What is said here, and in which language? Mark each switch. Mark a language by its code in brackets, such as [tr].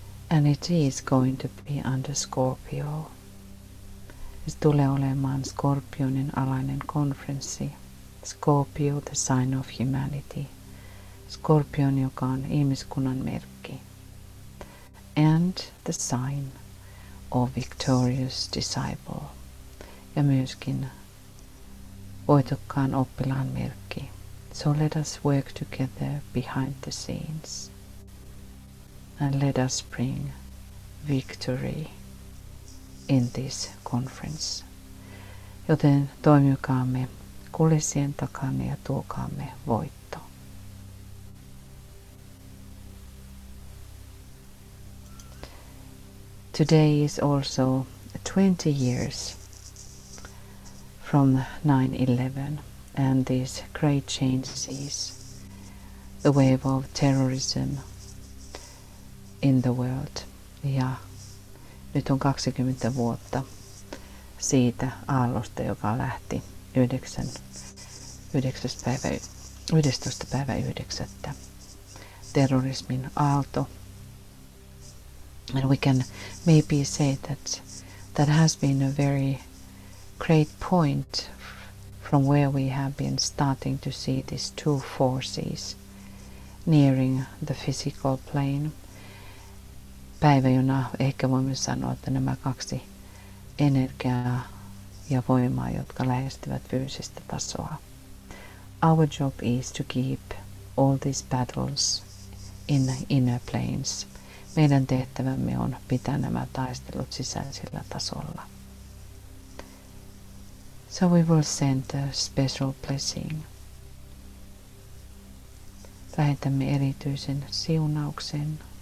[en] And it is going to be under Scorpio. [fi] Se tulee olemaan Skorpionin alainen konferenssi. [en] Scorpio, the sign of humanity. [fi] Skorpion, joka on ihmiskunnan merkki. [en] And the sign of victorious disciple. [fi] Ja myöskin voitokkaan oppilaan merkki. [en] So let us work together behind the scenes. And let us bring victory in this conference. [fi] Joten toimikaamme kulissien takana ja tuokaamme voitto. [en] Today is also 20 years from 9/11 and these great changes, the wave of terrorism in the world. [fi] Ja nyt on 20 vuotta siitä aallosta, joka lähti 11. päivä 9. terrorismin aalto. [en] And we can maybe say that has been a very great point from where we have been starting to see these two forces nearing the physical plane. [fi] Päivä, jona ehkä voimme sanoa, että nämä kaksi energiaa ja voimaa, jotka lähestyvät fyysistä tasoa. [en] Our job is to keep all these battles in the inner planes. [fi] Meidän tehtävämme on pitää nämä taistelut sisäisellä tasolla. [en] So we will send a special blessing. [fi] Lähetämme erityisen siunauksen.